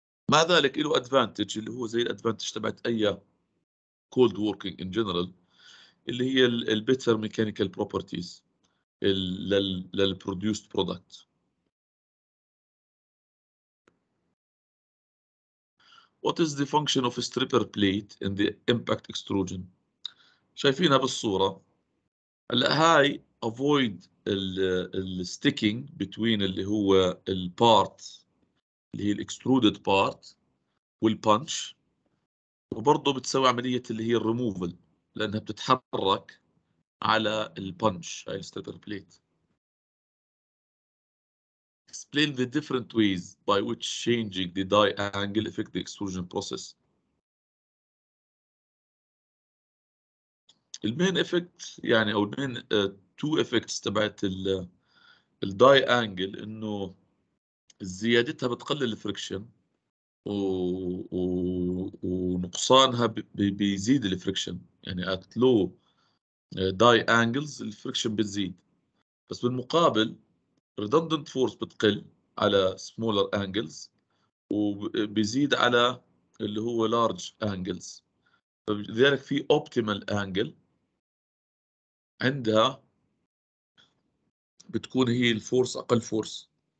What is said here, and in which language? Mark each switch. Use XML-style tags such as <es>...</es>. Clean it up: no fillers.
<ar>مع ذلك له ادفانتج اللي هو زي الادفانتج تبعت اي كولد وركينج ان جنرال اللي هي البيتر ميكانيكال بروبرتيز للبروديوست برودكت.</ar> <en>What is the function of a stripper plate in the impact extrusion?</en> <ar>شايفينها بالصورة. هلا هاي avoid ال</ar> <en>sticking between</en> <ar>اللي هو ال part اللي هي ال extruded part وال punch. وبرضه بتسوي عملية اللي هي الريموفل لأنها بتتحرك على البنش هاي الستيبر بليت.</ar> <en>Explain the different ways by which changing the die angle affect the extrusion process.</en> <ar>المين افكت يعني أو المين تو افكتس تبعت ال die angle إنه زيادتها بتقلل الفريكشن ونقصانها بيزيد الفريكشن يعني</ar> <en>at low die angles</en> <ar>الفريكشن بتزيد بس بالمقابل</ar> <en>redundant force</en> <ar>بتقل على smaller angles وبيزيد على اللي هو large angles لذلك في optimal angle عندها بتكون هي الفورس أقل فورس</ar>